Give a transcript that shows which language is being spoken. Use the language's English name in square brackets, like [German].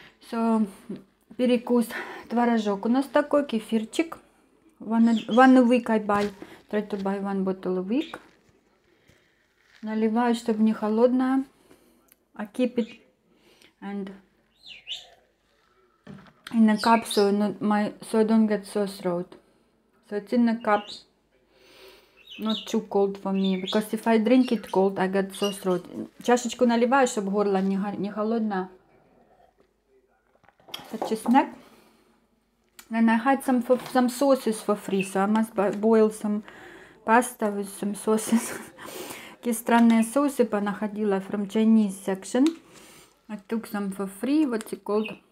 [Russian] So перекус, творожок у нас такой, кефирчик. [English] One a week I buy, try to buy one bottle a week. [Russian] Наливаю, чтобы не холодная. [English] I keep it and in a cup so not my so I don't get sore throat. So it's in a cup, not too cold for me, because if I drink it cold, I get sore throat. [Russian] Чашечку наливаю, чтобы горло не холодное. [English] Such a snack. And I had some sauces for free, so I must boil some pasta with some sauces. [Russian] Какие странные соусы понаходила [English] from Chinese section. I took some for free. What's it called?